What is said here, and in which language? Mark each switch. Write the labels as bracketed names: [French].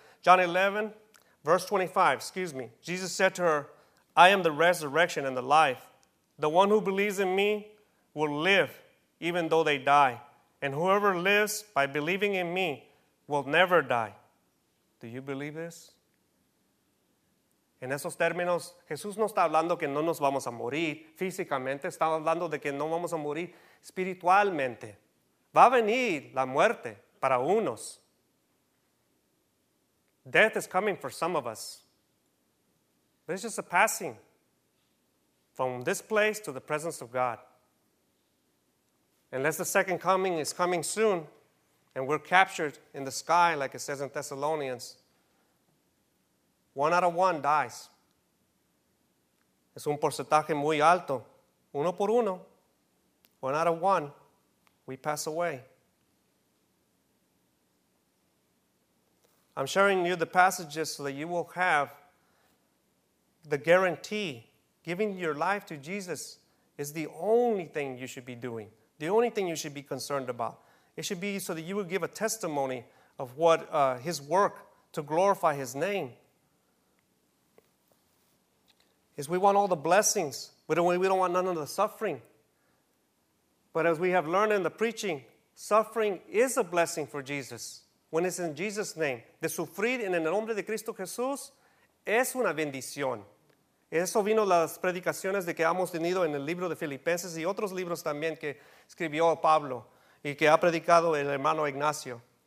[English] John 11, verse 25, Jesus said to her, I am the resurrection and the life. The one who believes in me will live even though they die. And whoever lives by believing in me will never die. Do you believe this? [Spanish] En esos términos, Jesús no está hablando que no nos vamos a morir físicamente. Está hablando de que no vamos a morir espiritualmente. Va a venir la muerte para unos. [English] Death is coming for some of us. But it's just a passing from this place to the presence of God. Unless the second coming is coming soon and we're captured in the sky, like it says in Thessalonians, one out of one dies. [Spanish] Es un porcentaje muy alto. Uno por uno. [English] One out of one, we pass away. I'm sharing you the passages so that you will have the guarantee. Giving your life to Jesus is the only thing you should be doing. The only thing you should be concerned about. It should be so that you will give a testimony of what his work to glorify his name. Is we want all the blessings, but we don't want none of the suffering. But as we have learned in the preaching, suffering is a blessing for Jesus. When it's in Jesus' name, [Spanish] de sufrir en el nombre de Cristo Jesús es una bendición. Eso vino las predicaciones de que hemos tenido en el libro de Filipenses y otros libros también que escribió Pablo y que ha predicado el hermano Ignacio.